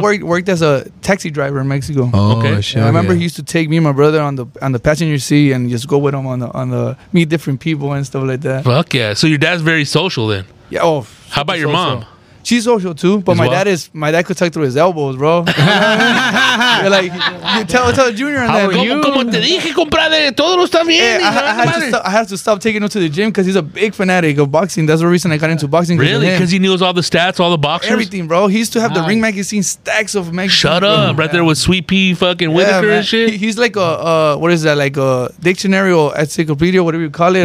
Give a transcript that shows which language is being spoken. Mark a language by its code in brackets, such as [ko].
[en] Because my dad worked as a taxi driver in Mexico. Oh, okay. Shit. I remember he used to take me and my brother on the passenger seat and just go with him on the meet different people and stuff like that. Fuck yeah. So your dad's very social then. Yeah. Oh, how about your mom? She's social too, but my dad could talk through his elbows, bro. Like, tell Junior on that. [es] Como te dije, compadre, todo lo está bien. [en] I have to stop taking him to the gym because he's a big fanatic of boxing. That's the reason I got into boxing. Really? Because he knows all the stats, all the boxers? Everything, bro. He used to have the Ring magazine, stacks of magazines. Shut up, bro. Right there with Sweet Pea fucking Whitaker and shit. He's like a dictionary or encyclopedia, whatever you call it.